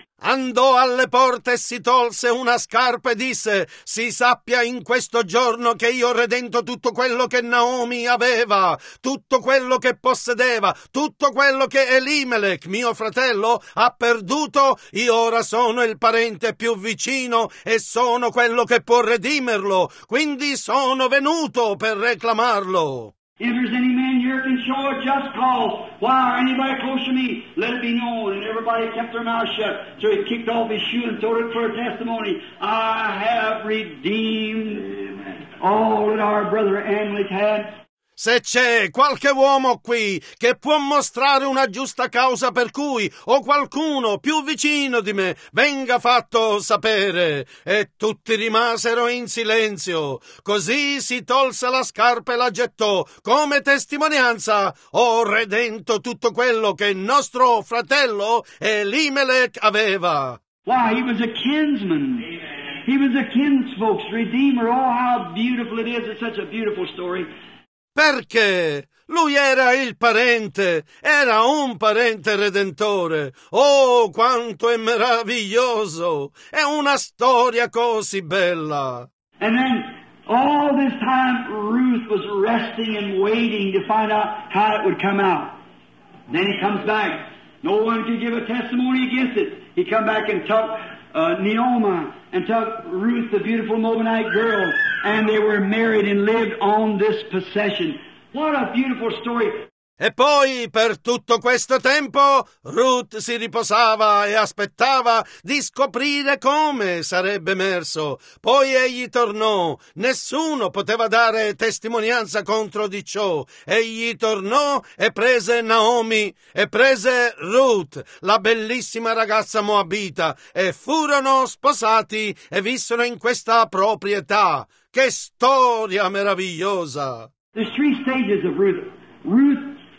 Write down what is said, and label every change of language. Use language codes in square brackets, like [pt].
[it] Andò alle porte e si tolse una scarpa e disse, si sappia in questo giorno che io ho redento tutto quello che Naomi aveva, tutto quello che possedeva, tutto quello che Elimelech, mio fratello, ha perduto. Io ora sono il parente più vicino e sono quello che può redimerlo, quindi sono venuto per reclamarlo. [en] If there's any man here can show a just cause, why are anybody close to me? Let it be known. And everybody kept their mouth shut. So he kicked off his shoe and threw it for a testimony. I have redeemed all that our brother Amalek had. [it] Se c'è qualche uomo qui che può mostrare una giusta causa per cui, o qualcuno più vicino di me, venga fatto sapere. E tutti rimasero in silenzio. Così si tolse la scarpa e la gettò come testimonianza. Ho redento tutto quello che il nostro fratello Elimelech aveva. [en] Wow, he was a kinsman. He was a kinsfolk's redeemer. Oh, how beautiful it is. It's such a beautiful story. [it] Perché lui era il parente, era un parente redentore. Oh, quanto è meraviglioso! È una storia così bella. [en] And then all this time Ruth was resting and waiting to find out how it would come out. Then he comes back. No one could give a testimony against it. He come back and talked Naomi and took Ruth, the beautiful Moabite girl, and they were married and lived on this possession. What a beautiful story! [it] E poi, per tutto questo tempo, Ruth si riposava e aspettava di scoprire come sarebbe emerso. Poi egli tornò. Nessuno poteva dare testimonianza contro di ciò. Egli tornò e prese Naomi e prese Ruth, la bellissima ragazza moabita, e furono sposati e vissero in questa proprietà. Che storia meravigliosa! [en] There's three stages of Ruth. Ruth.